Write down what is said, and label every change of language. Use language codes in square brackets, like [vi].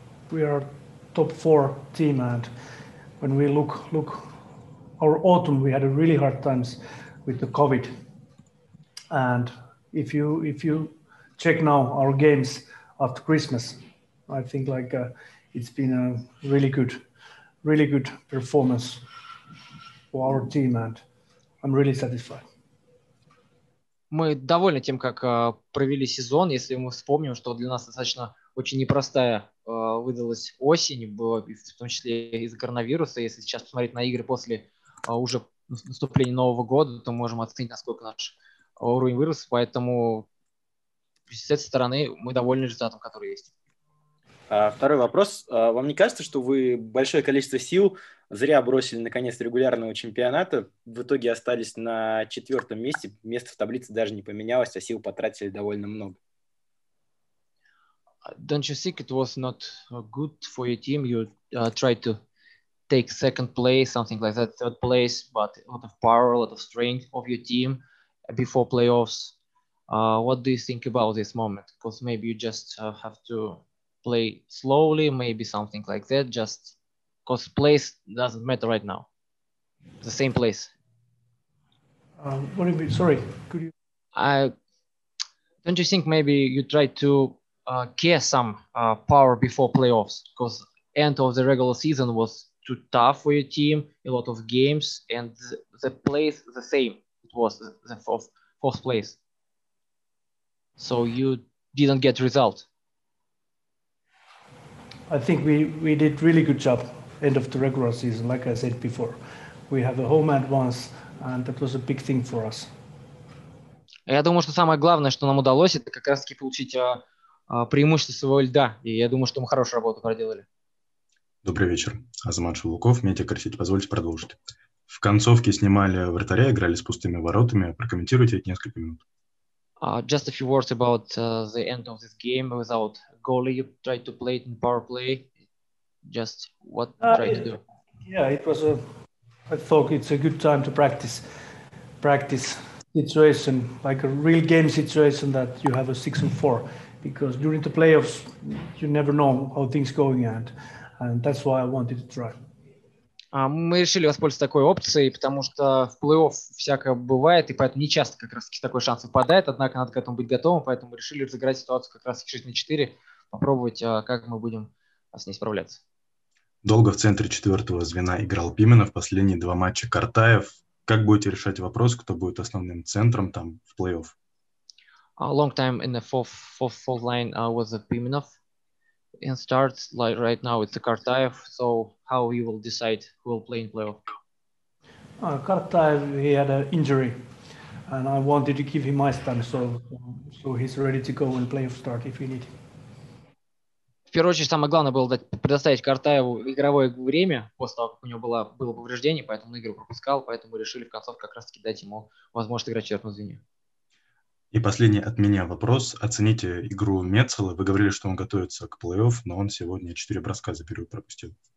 [en] We are top 4 team, and when we look our autumn, we had a really hard times with the COVID. And if you check now our games after Christmas, I think it's been a really good performance for our team, and I'm really satisfied. [ru] Мы довольны тем, как провели сезон, если мы вспомним, что для нас достаточно очень непростая выдалась осень, в том числе из-за коронавируса. Если сейчас посмотреть на игры после уже наступления Нового года, то мы можем оценить, насколько наш уровень вырос. Поэтому с этой стороны мы довольны результатом, который есть. Второй вопрос. Вам не кажется, что вы большое количество сил зря бросили наконец регулярного чемпионата, в итоге остались на четвертом месте, место в таблице даже не поменялось, а сил потратили довольно много? [en] Don't you think it was not good for your team? You tried to take second place, something like that, third place, but a lot of power, a lot of strength of your team before playoffs. What do you think about this moment? Because maybe you just have to play slowly, maybe something like that, just because place doesn't matter right now. The same place. What do you mean? Sorry, could you? Don't you think maybe you try to care some power before playoffs? Because end of the regular season was too tough for your team, a lot of games, and the place the same. It was the fourth place. So you didn't get result. I think we did really good job end of the regular season, like I said before. We have a home advance, and that was a big thing for us. [ru] Я думаю, что самое главное, что нам удалось, это как раз-таки получить преимущество своего льда. И я думаю, что мы хорошую работу проделали. Добрый вечер. Азамат Шулуков, Метя Корсич. Позвольте продолжить. В концовке снимали вратаря, играли с пустыми воротами. Прокомментируйте это несколько минут. [en] Just a few words about the end of this game without goalie. You tried to play it in power play. Just what try to do? Yeah, it was I thought it's a good time to practice situation, like a real game situation that you have a 6-4, because during the playoffs you never know how things going and that's why I wanted to try. [ru] Мы решили воспользоваться такой опцией, потому что в плей-офф всякое бывает, и поэтому не часто как раз такой шанс выпадает, однако надо к этому быть готовым, поэтому мы решили разыграть ситуацию как раз 6-4, попробовать, как мы будем с ней справляться. Долго в центре четвертого звена играл Пименов, последние два матча Картаев. Как будете решать вопрос, кто будет основным центром там в плей-офф? [en] Long time in the fourth line was a Pimenov. In starts like right now it's the Kartaev, so how you will decide who will play in playoff? Kartaev, he had an injury and I wanted to give him ice time so he's ready to go and play off start if you need. [ru] В первую очередь самое главное было предоставить Картаеву игровое время после того, как у него было повреждение, поэтому он игру пропускал, поэтому решили в концовке как раз таки дать ему возможность играть в четвертом звене. И последний от меня вопрос. Оцените игру Мецела. Вы говорили, что он готовится к плей-офф, но он сегодня 4 броска за период пропустил.